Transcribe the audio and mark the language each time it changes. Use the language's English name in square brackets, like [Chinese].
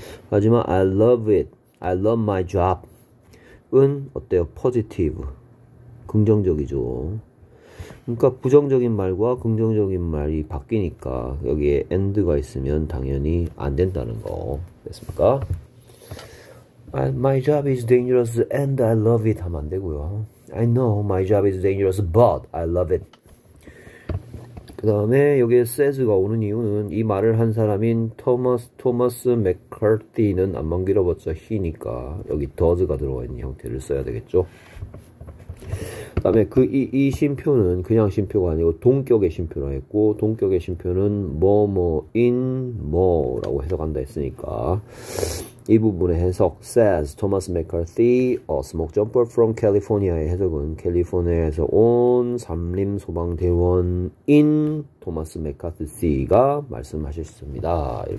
[Korean] 하지만 [English] I love it. I love my job. [Korean] 은 어때요? 포지티브. 긍정적이죠. 그러니까 부정적인 말과 긍정적인 말이 바뀌니까 여기에 and가 있으면 당연히 안 된다는 거 됐습니까? [English] My job is dangerous and I love it [Korean] 하면 안 되고요. [English] I know my job is dangerous but I love it. [Korean] 그 다음에 여기에 says가 오는 이유는 이 말을 한 사람인 토머스 맥컬티는 안 만기로봤자 he니까 여기 does가 들어가 있는 형태를 써야 되겠죠. 그다음에 그 다음에 이 쉼표는 그냥 쉼표가 아니고 동격의 쉼표라 했고, 동격의 쉼표는 뭐뭐인 뭐라고 해석한다 했으니까 이 부분의 해석 [English] says Thomas McCarthy, a smoke jumper from California [Korean] 의 해석은 캘리포니아에서 온 삼림 소방대원인 토마스 맥카트 씨가 말씀하셨습니다.